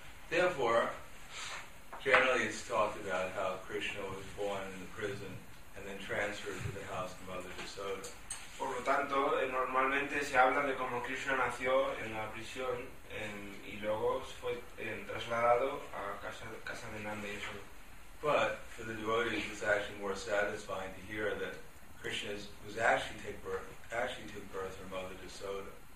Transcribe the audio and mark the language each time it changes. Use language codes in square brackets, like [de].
[en] Therefore, generally it's talked about how Krishna was born in the prison and then transferred to the house of Mother Yasoda. [es] Por lo tanto, normalmente se habla de cómo Krishna nació en la prisión y luego fue trasladado a casa de Nanda Yasoda. [en] But for the devotees, it's actually more satisfying to hear that Krishna was actually took birth from Mother Yasoda.